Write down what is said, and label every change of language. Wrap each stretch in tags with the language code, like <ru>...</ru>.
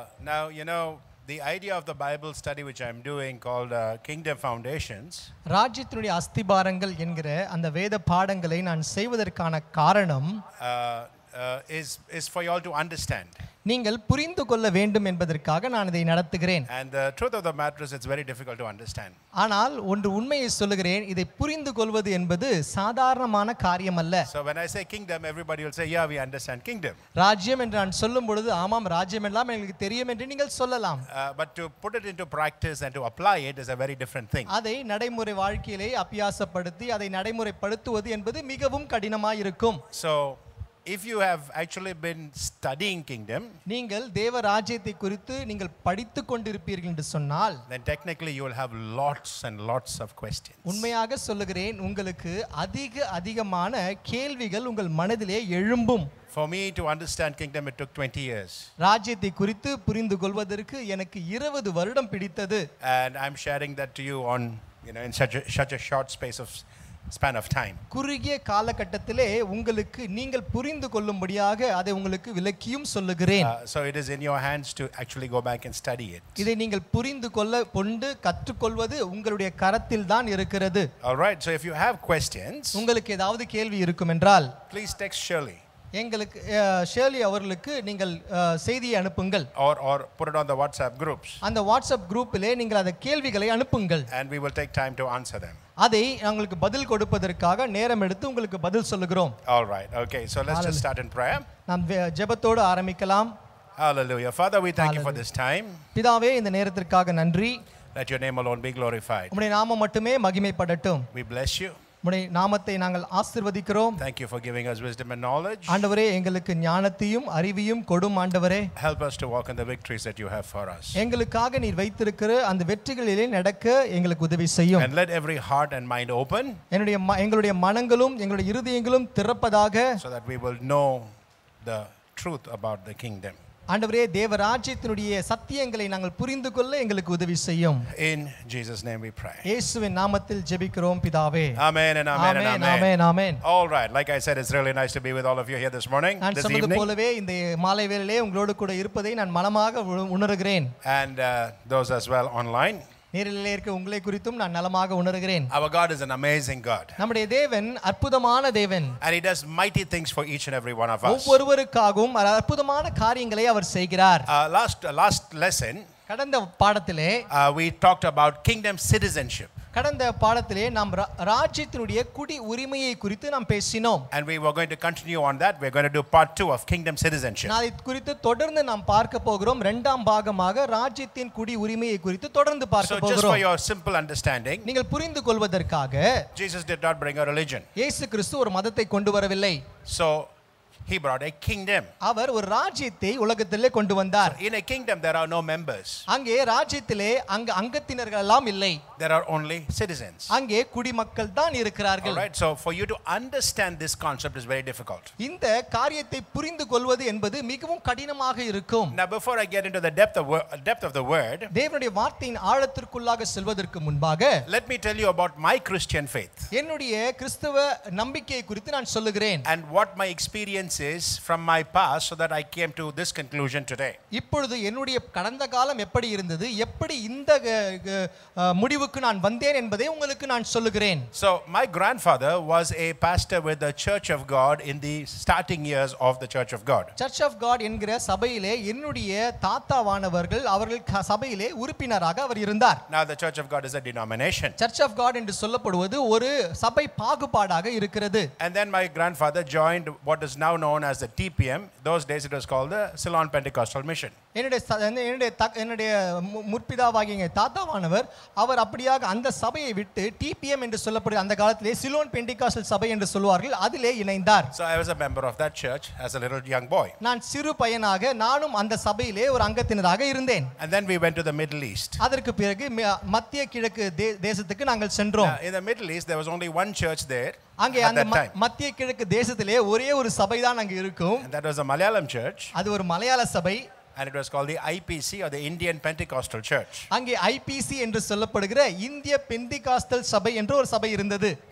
<en>Now you know the idea of the Bible study which I'm doing called Kingdom Foundations.</en> <ta>ராஜ்யத்தினுடைய அஸ்திபாரங்கள் என்கிற அந்த வேத பாடங்களை நான் செய்வதற்கான காரணம்</ta> <en>is for you all to understand.</en> <ta>நீங்கள் புரிந்து கொள்ள வேண்டும் என்பதற்காக நான் இதை நடத்துகிறேன்.</ta> <en>And the truth of the matter is it's very difficult to understand.</en> <ta>ஆனால் ஒன்று உண்மையை சொல்கிறேன், இதை புரிந்து கொள்வது என்பது சாதாரணமான காரியம் அல்ல.</ta> <en>So when I say kingdom, everybody will say, yeah, we understand kingdom.</en> <ta>ராஜ்யம் என்று நான் சொல்லும் பொழுது, ஆமாம், ராஜ்யம் எல்லாம் எங்களுக்கு தெரியும் என்று நீங்கள் சொல்லலாம்.</ta> <en>But to put it into practice and to apply it is a very different thing.</en> <ta>அதை நடைமுறை வாழ்க்கையிலே அபியாசப்படுத்தி அதை நடைமுறைப்படுத்துவது என்பது மிகவும் கடினமாயிருக்கும்.</ta> <en>So if you have actually been studying kingdom,</en> <ta>நீங்கள் தேவ ராஜ்யத்தை குறித்து நீங்கள் படித்து கொண்டிருப்பீர்கள் என்று சொன்னால்,</ta> <en>then technically you will have lots and lots of questions.</en> <ta>உண்மையாக சொல்லுகிறேன், உங்களுக்கு அதிக அதிகமான கேள்விகள் உங்கள் மனதிலே எழும்பும்.</ta> <en>For me to understand kingdom it took 20 years.</en> <ta>ராஜ்யத்தை குறித்து புரிந்துகொள்வதற்கு எனக்கு 20 வருடம் பிடித்தது.</ta> <en>And I'm sharing that to you on, you know, in such a short space of span of time.</en> <ta>குறுகிய காலகட்டத்திலே உங்களுக்கு நீங்கள் புரிந்து கொள்ளும்படியாக அதை உங்களுக்கு விளக்கியும் சொல்லுகிறேன்.</ta> <en>So it is in your hands to actually go back and study it.</en> <ta>இதை நீங்கள் புரிந்து கொள்ள கொண்டு கற்றுக்கொள்வது உங்களுடைய கரத்தில் தான் இருக்கிறது.</ta> <en>All right, so if you have questions,</en> <ta>உங்களுக்கு ஏதாவது கேள்வி இருக்கும் என்றால்,</ta> <en>please text Shirley.</en> <ta>எங்களுக்கு ஷேர்லி அவர்களுக்கு நீங்கள் செய்தியை அனுப்புங்கள்.</ta> <en>Or put it on the WhatsApp groups.</en> <ta>அந்த WhatsApp groupிலே நீங்கள் அந்த கேள்விகளை அனுப்புங்கள்.</ta> <en>And we will take time to answer them.</en> <ta>அதை உங்களுக்கு பதில் கொடுப்பதற்காக நேரம் எடுத்து உங்களுக்கு பதில் சொல்லுகிறோம்.</ta> <en>All right. Okay. So let's just start in prayer.</en> <ta>நாம் ஜெபத்தோடு ஆரம்பிக்கலாம்.</ta> <en>Hallelujah. Father, we thank you for this time.</en> <ta>பிதாவே, இந்த நேரத்திற்காக நன்றி.</ta> <en>Let your name alone be glorified.</en> <ta>உம்முடைய நாமம் மட்டுமே மகிமைப்படட்டும்.</ta> <en>We bless you.</en> <ta>உம்முடைய நாமத்தை நாங்கள் ஆசீர்வதிக்கிறோம்.</ta> <en>Thank you for giving us wisdom and knowledge.</en> <ta>ஆண்டவரே, எங்களுக்கு ஞானத்தையும் அறிவையும் கொடும். ஆண்டவரே,</ta> <en>help us to walk in the victories that you have for us.</en> <ta>எங்களுக்காக நீர் வைத்திருக்கிற அந்த வெற்றிகளிலே நடக்க எங்களுக்கு உதவி செய்யும்.</ta> <en>And let every heart and mind open.</en> <ta>எங்களுடைய மனங்களும் எங்களுடைய இருதயங்களும் திறப்பதாக.</ta> <en>So that we will know the truth about the kingdom.</en> <ta>ஆண்டவரே, தேவராஜ்யத்தினுடைய சத்தியங்களை நாங்கள் புரிந்து கொள்ள எங்களுக்கு உதவி செய்யும்.</ta> <en>In Jesus' name we pray.</en> <ta>இயேசுவின் நாமத்தில் ஜெபிக்கிறோம் பிதாவே.</ta> <en>Amen and amen and amen. Amen, amen. All right, like I said, it's really nice to be with all of you here this morning, this evening.</en> <ta>நான் சொன்னது போலவே இந்த மாலை வேளையிலே உங்களோடு கூட இருப்பதை நான் மனமாக உணர்கிறேன்.</ta> <en>And those as well online.</en> <ta>நேரிலே இருக்க உங்களை குறித்தும் நான் நலமாக உணர்கிறேன்.</ta> <en>Our God is an amazing God.</en> <ta>நம்முடைய தேவன் அற்புதமான தேவன்.</ta> <en>And he does mighty things for each and every one of us.</en> <ta>ஒவ்வொருவருக்காகவும் அற்புதமான காரியங்களை அவர் செய்கிறார்.</ta> <en>Last lesson,</en> <ta>கடந்த பாடத்திலே</ta> <en>we talked about kingdom citizenship.</en> <ta>கடந்த பாடத்திலே நாம் ராஜ்யத்தினுடைய குடி உரிமையை குறித்து நாம் பேசினோம்.</ta> <en>And we were going to continue on that. We're going to do part 2 of kingdom citizenship.</en> <ta>நாளை குறித்து தொடர்ந்து நாம் பார்க்க போகிறோம். இரண்டாம் பாகமாக ராஜ்யத்தின் குடி உரிமையை குறித்து தொடர்ந்து பார்க்க போகிறோம்.</ta> <en>So just for your simple understanding,</en> <ta>நீங்கள் புரிந்து கொள்வதற்காக,</ta> <en>Jesus did not bring a religion.</en> <ta>இயேசு கிறிஸ்து ஒரு மதத்தை கொண்டு வரவில்லை.</ta> <en>So he brought a kingdom.</en> <ta>அவர் ஒரு ராஜ்யத்தை உலகத்திலே கொண்டு வந்தார்.</ta> <en>In a kingdom there are no members.</en> <ta>அங்கே ராஜ்யத்திலே அங்கத்தினர்கள் எல்லாம் இல்லை.</ta> <en>There are only citizens.</en> <ta>அங்கே குடிமக்கள் தான் இருக்கிறார்கள்.</ta> <en>All right, so for you to understand this concept is very difficult.</en> <ta>இந்த காரியத்தை புரிந்துகொள்வது என்பது மிகவும் கடினமாக இருக்கும்.</ta> <en>Now before I get into the depth of the word,</en> <ta>தேவனுடைய வார்த்தையின் ஆழத்திற்குள்ளாக செல்வதற்கு முன்பாக,</ta> <en>let me tell you about my Christian faith.</en> <ta>என்னுடைய கிறிஸ்தவ நம்பிக்கையை குறித்து நான் சொல்லுகிறேன்.</ta> <en>And what my experience is from my past so that I came to this conclusion today.</en> <ta>இப்பொழுது என்னுடைய கடந்த காலம் எப்படி இருந்தது, எப்படி இந்த முடி நான் வந்தேன் என்பதை உங்களுக்கு நான் சொல்லுகிறேன்.</ta> <en>So my grandfather was a pastor with the Church of God in the starting years of the Church of God.</en> <ta>Church of God என்கிற சபையிலே என்னுடைய தாத்தாவானவர்கள் அவர்கள் சபையிலே உறுப்பினராக அவர் இருந்தார்.</ta> <en>Now the Church of God is a denomination.</en> <ta>Church of God என்று சொல்லப்படுவது ஒரு சபை பாகுபாடாக இருக்கிறது.</ta> <en>And then my grandfather joined what is now known as the TPM. Those days it was called the Ceylon Pentecostal Mission.</en> <ta>என்னுடைய முற்பிதாவாகிய தாத்தாவானவர் அவர் அப்படியாக அந்த சபையை விட்டு TPM என்று சொல்லப்படும் அந்த காலத்திலே சிலோன் பெண்டிகாஸ்டல் சபை என்று சொல்வார்கள் அதிலே இணைந்தார்.</ta> <en>So I was a member of that church as a little young boy.</en> <ta>நான் சிறு பையனாக நானும் அந்த சபையிலே ஒரு அங்கத்தினராக இருந்தேன்.</ta> <en>And then we went to the Middle East.</en> <ta>அதற்கு பிறகு மத்திய கிழக்கு தேசத்துக்கு நாங்கள் சென்றோம்.</ta> <en>In the Middle East there was only one church there.</en> <ta>அங்கே அந்த மத்திய கிழக்கு தேசத்திலே ஒரே ஒரு சபை தான் அங்கு இருக்கும்.</ta> <en>And that was a Malayalam church.</en> <ta>அது ஒரு மலையாள சபை.</ta> <en>and it was called the IPC or the Indian Pentecostal Church.</en> <ta>அங்கே IPC என்று சொல்லப்படுகிற இந்திய பெந்தெகோஸ்டல் சபை என்ற ஒரு சபை இருந்தது.</ta>